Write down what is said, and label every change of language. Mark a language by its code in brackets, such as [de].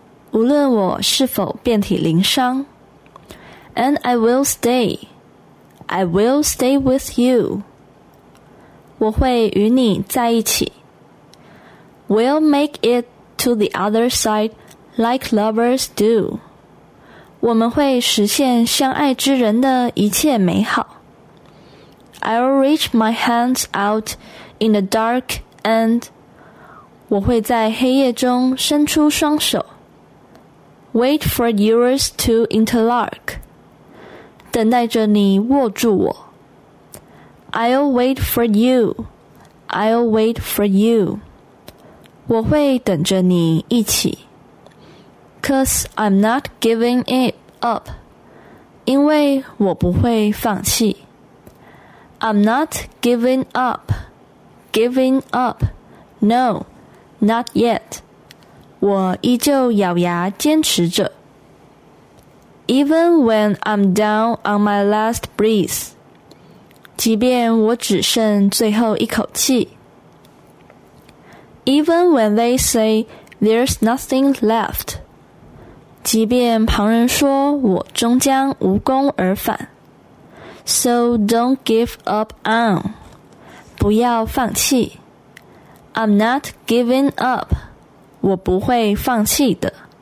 [zh] 无论我是否遍体鳞伤。 [en] And I will stay. I will stay with you. [zh] 我会与你在一起。 [en] We'll make it to the other side like lovers do. [zh] 我们会实现相爱之人的一切美好。 [en] I'll reach my hands out in the dark and [zh] 我会在黑夜中伸出双手。 [en] Wait for yours to interlock. [zh] 等待着你握住我。 [en] I'll wait for you. I'll wait for you. [zh] 我会等着你一起。 [en] Cause I'm not giving it up. [zh] 因为我不会放弃。 [en] I'm not giving up. Giving up. No, not yet. [zh] 我依旧咬牙坚持着。 [en] Even when I'm down on my last breath. [zh] 即便我只剩最后一口气。 [en] Even when they say there's nothing left, [zh] 即便旁人说我终将无功而返。 [en] So don't give up on, [zh] 不要放弃。 [en] I'm not giving up, [zh] 我不会放弃的。